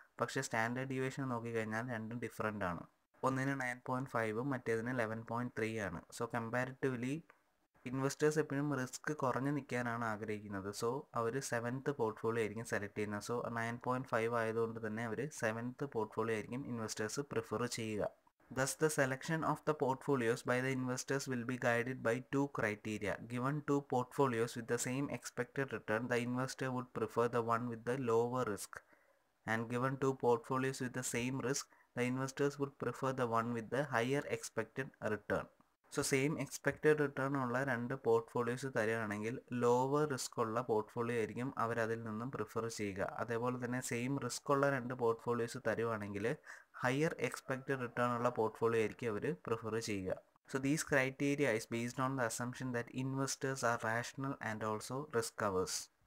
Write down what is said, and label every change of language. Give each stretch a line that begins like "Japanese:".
Malayalam: പക്ഷേ standard deviation നോക്കിക്കഴിഞ്ഞാൽ രണ്ടും ഡിഫറൻ്റ് ആണ്. ഒന്നിന് 9.5 മറ്റേതിന് 11.3 ആണ്. സോ കമ്പാരിറ്റീവ്ലി ഇൻവെസ്റ്റേഴ്സ് എപ്പോഴും റിസ്ക് കുറഞ്ഞു നിൽക്കാനാണ് ആഗ്രഹിക്കുന്നത്. സോ അവർ സെവൻത്ത് പോർട്ട്ഫോളിയോ ആയിരിക്കും സെലക്ട് ചെയ്യുന്നത്. സോ 9.5 ആയതുകൊണ്ട് തന്നെ അവർ സെവൻത്ത് പോർട്ട്ഫോളിയോ ആയിരിക്കും ഇൻവെസ്റ്റേഴ്സ് പ്രിഫർ ചെയ്യുക.
English: Thus, the selection of the portfolios by the investors will be guided by two criteria. Given two portfolios with the same expected return, the investor would prefer the one with the lower risk. And given two portfolios with the same risk, the investors would prefer the one with the higher expected return.
Malayalam: So,
English: same expected return
Malayalam: ഉള്ള രണ്ട് portfolios തരികയാണെങ്കിൽ lower risk ഉള്ള portfolio ആയിരിക്കും അവരതിൽ നിന്നും prefer ചെയ്യുക. അതേപോലെ തന്നെ സെയിം റിസ്ക് ഉള്ള രണ്ട് പോർട്ട്ഫോളിയോസ് തരുവാണെങ്കിൽ ഹയർ എക്സ്പെക്റ്റഡ് റിട്ടേൺ ഉള്ള പോർട്ട്ഫോളിയോ ആയിരിക്കും അവർ പ്രിഫർ ചെയ്യുക.
English: So these criteria is based on the assumption that investors are rational and also risk averse.